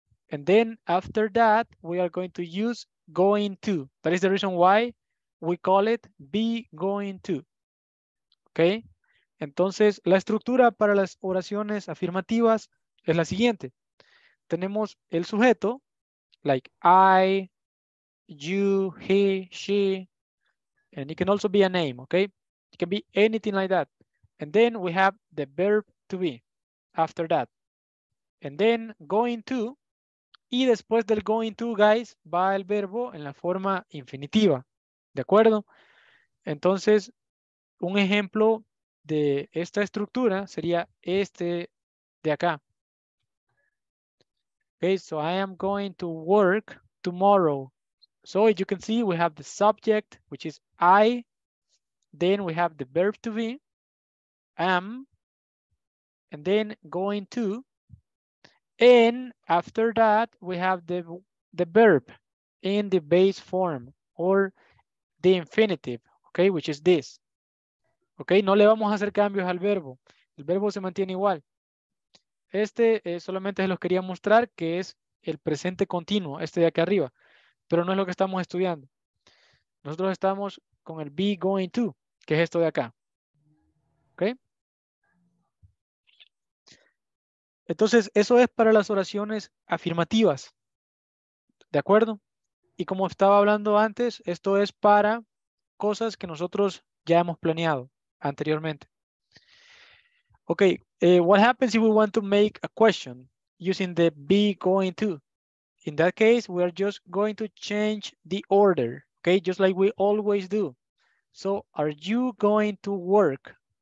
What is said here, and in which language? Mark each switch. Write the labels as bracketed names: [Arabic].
[English] And then after that, we are going to use going to. That is the reason why we call it be going to. [Spanish] Ok, entonces la estructura para las oraciones afirmativas es la siguiente. Tenemos el sujeto, [English] like I, you, he, she, and it can also be a name, ok? It can be anything like that. And then we have the verb to be after that. And then going to, [Spanish] y después del going to, guys, va el verbo en la forma infinitiva, ¿de acuerdo? Entonces, un ejemplo de esta estructura sería este de acá. [English] Okay, so I am going to work tomorrow. So you can see we have the subject, which is I. Then we have the verb to be, am. And then going to. And after that, we have the verb in the base form or the infinitive, okay, which is this. [Spanish] Ok, no le vamos a hacer cambios al verbo. El verbo se mantiene igual. Este solamente se los quería mostrar que es el presente continuo, este de acá arriba. pero no es lo que estamos estudiando. Nosotros estamos con el be going to, que es esto de acá. ¿Ok? Entonces, eso es para las oraciones afirmativas. ¿De acuerdo? Y como estaba hablando antes, esto es para cosas que nosotros ya hemos planeado anteriormente. [English] Ok, what happens if we want to make a question using the be going to? In that case, we are just going to change the order, okay? Just like we always do. So, are you going to work?